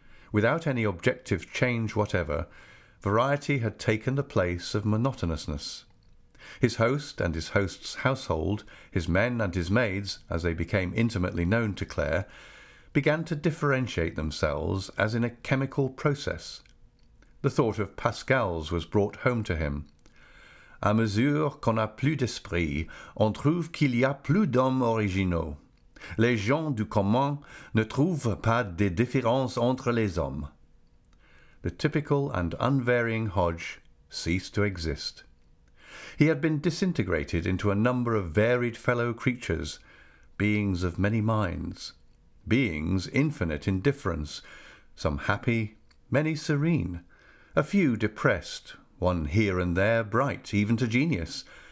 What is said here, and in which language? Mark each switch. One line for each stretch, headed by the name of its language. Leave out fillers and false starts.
English: Without any objective change whatever, variety had taken the place of monotonousness. His host and his host's household, his men and his maids, as they became intimately known to Clare, began to differentiate themselves as in a chemical process. The thought of Pascal's was brought home to him.
French: À mesure qu'on a plus d'esprit, on trouve qu'il y a plus d'hommes originaux. Les gens du commun ne trouvent pas de différence entre les hommes.
English: The typical and unvarying Hodge ceased to exist. He had been disintegrated into a number of varied fellow creatures, beings of many minds, beings infinite in difference, some happy, many serene, a few depressed, one here and there bright, even to genius,